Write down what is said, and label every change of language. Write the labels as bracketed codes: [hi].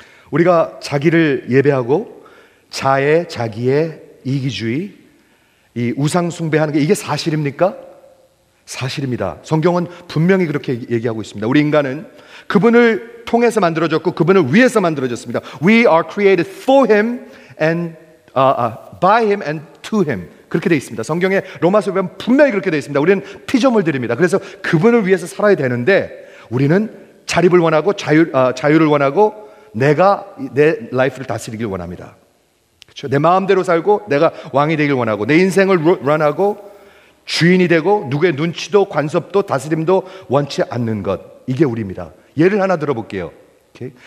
[ko] 우리가 자기를 예배하고 자의 자기의 이기주의, 이 우상 숭배하는 게 이게 사실입니까? 사실입니다. 성경은 분명히 그렇게 얘기하고 있습니다. 우리 인간은 그분을 통해서 만들어졌고 그분을 위해서 만들어졌습니다. [en] We are created for him and by him and to him. [ko] 그렇게 돼 있습니다. 성경의 로마서 보면 분명히 그렇게 돼 있습니다. 우리는 피조물들입니다. 그래서 그분을 위해서 살아야 되는데 우리는 자립을 원하고 자유를 원하고 내가 내 라이프를 다스리길 원합니다. 그렇죠? 내 마음대로 살고 내가 왕이 되길 원하고 내 인생을 런하고 주인이 되고 누구의 눈치도 관섭도 다스림도 원치 않는 것, 이게 우리입니다. 예를 하나 들어볼게요. 오케이?